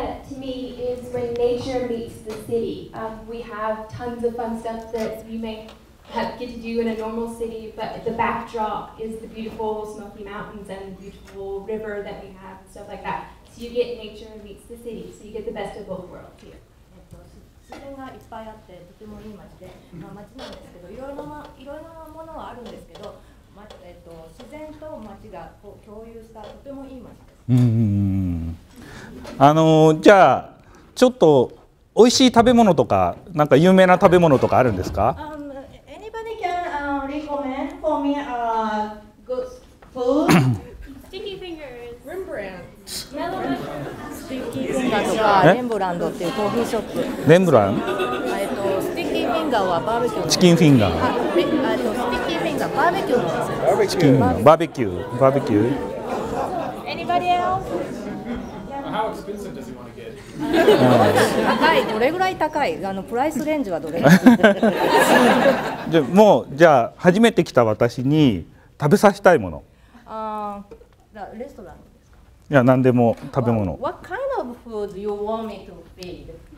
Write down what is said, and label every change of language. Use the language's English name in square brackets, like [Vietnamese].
[English] To me is when nature meets the city. We have tons of fun stuff that we may get to do in a normal city, but the backdrop is the beautiful Smoky Mountains and the beautiful river that we have, stuff like that. So you get nature meets the city. So you get the best of both worlds here. [Japanese] 自然がいっぱいあってとてもいい街で、まあ、街なんですけどいろいろなものはあるんですけど、まあ自然と街がこう共有したとてもいい街です。じゃあちょっと美味しい食べ物とかなんか有名な食べ物とかあるんですか？ [English] Anybody can recommend for me a good food? Sticky fingers. Rembrandt. Mellow mushroom. [Japanese] スティッキーフィンガーとかレンブランドっていうコーヒーショップ。レンブラン？スティッキーフィンガーはバーベキュー。チキンフィンガー。スティッキーフィンガーバーベキューなんですよ。バーベキュー。バーベキュー。 [English] Anybody else? How expensive does he want to get? [Japanese] 高い。どれぐらい高い？プライスレンジはどれぐらい？もうじゃあ初めて来た私に食べさせたいもの。レストラン。いや、何でも食べ物。 [English] What kind of food do you want me to feed?